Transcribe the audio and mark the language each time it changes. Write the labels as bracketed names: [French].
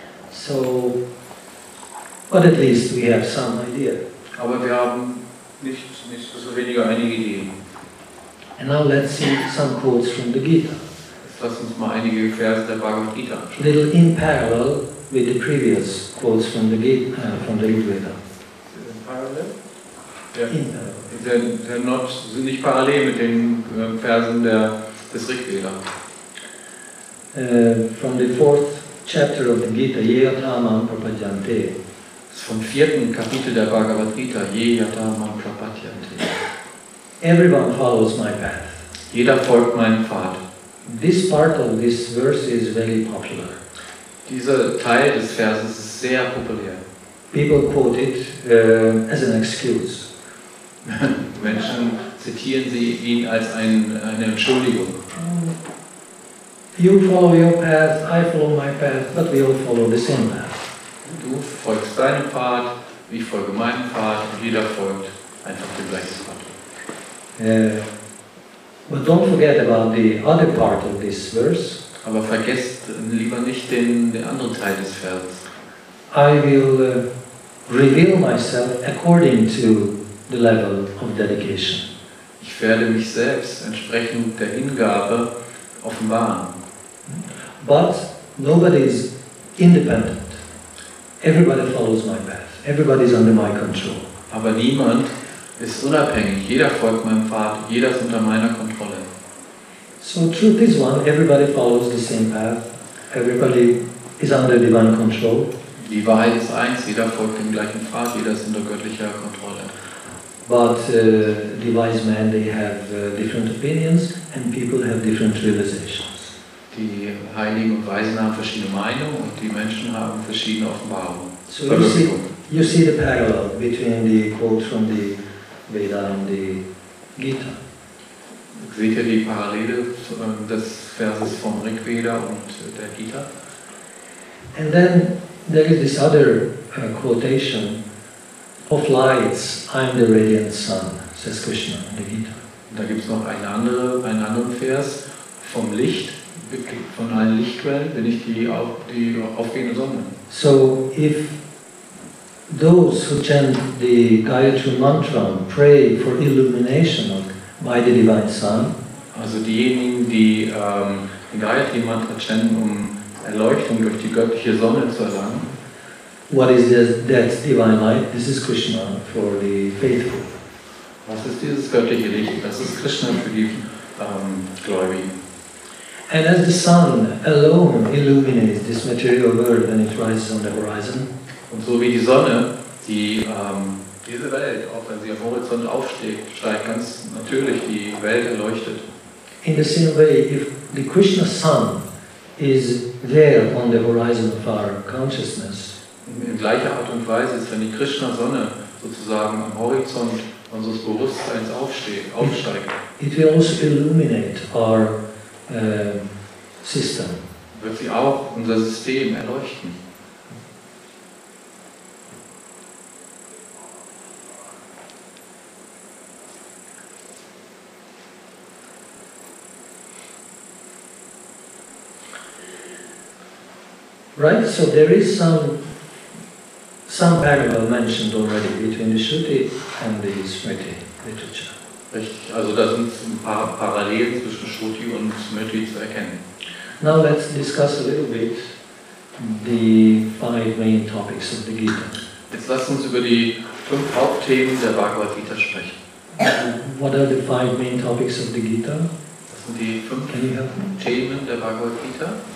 [English] So, but at least we have some idea. [German] Aber wir haben nicht so weniger einige Ideen. [English] And now let's see some quotes from the Gita. [German] Lass uns mal einige Verse der Bhagavad Gita anschauen. [English] Little in parallel with the previous quotes from the Rigveda. In parallel? Yeah. In parallel. [German] Sind nicht parallel mit den Versen des Rigveda. [English] From the fourth chapter of the Gita, Yeyatamam Prapadyante. [German] Vom vierten Kapitel der Bhagavad Gita, Yeyatamam Prapadyante. [English] Everyone follows my path. [German] Jeder folgt meinem Pfad. [English] This part of this verse is very popular. [German] Dieser Teil des Verses ist sehr populär. [English] People quote it as an excuse. [German] Menschen zitieren sie ihn als eine Entschuldigung. [English] You follow your path, I follow my path, but we all follow the same path. [German] Du folgst deinem Pfad, ich folge meinem Pfad, jeder folgt einfach dem gleichen Pfad. [English] But don't forget about the other part of this verse. [German] Aber vergesst lieber nicht den anderen Teil des Verses. [English] I will reveal myself according to the level of dedication. [German] Ich werde mich selbst entsprechend der Hingabe offenbaren. [English] But nobody is independent. Everybody follows my path. Everybody is under my control. [German] Aber niemand ist unabhängig. Jeder folgt meinem Pfad. Jeder ist unter meiner Kontrolle. [English] So truth is one. Everybody follows the same path. Everybody is under divine control. [German] Die Wahrheit ist eins. Jeder folgt dem gleichen Pfad. Jeder ist unter göttlicher Kontrolle. [English] But the wise men, they have different opinions and people have different realizations. [German] Die Heiligen und Weisen haben verschiedene Meinungen und die Menschen haben verschiedene Offenbarungen. [English] So you see the parallel between the quote from the Veda [German] und die Gita. Seht ihr die Parallele des Verses vom Rigveda und der Gita? [English] And then there is this other quotation of lights, I am the radiant sun, says Krishna in the Gita. [German] Da gibt es noch einen anderen Vers vom Licht, von allen Lichtquellen, bin ich die aufgehende Sonne. [English] So, if those who chant the Gayatri Mantra pray for illumination by the Divine Sun, [German] also diejenigen, die Gayatri Mantra chanten, um Erleuchtung durch die göttliche Sonne zu erlangen, [English] what is that divine light? This is Krishna for the faithful. [German] Was ist dieses göttliche Licht? Das ist Krishna für die Gläubigen. [English] And as the sun alone illuminates this material world when it rises on the horizon. [German] Und so wie die Sonne, die diese Welt, auch wenn sie am Horizont aufsteigt, steigt ganz natürlich die Welt erleuchtet. [English] In the same way, if the Krishna sun is there on the horizon of our consciousness. [German] In gleicher Art und Weise ist, wenn die Krishna Sonne sozusagen am Horizont unseres Bewusstseins aufsteigt. [English] It will also illuminate our system. [German] Wird sie auch unser System erleuchten? [English] Right, so there is some parallel mentioned already between the Shruti and the Smriti literature. [German] Richtig, also da sind ein paar Parallelen zwischen Shruti und Smriti zu erkennen. [English] Now let's discuss a little bit the five main topics of the Gita. [German] Jetzt lasst uns über die fünf Hauptthemen der Bhagavad Gita sprechen. [English] What are the five main topics of the Gita? [German] Das sind die fünf Themen der Bhagavad Gita.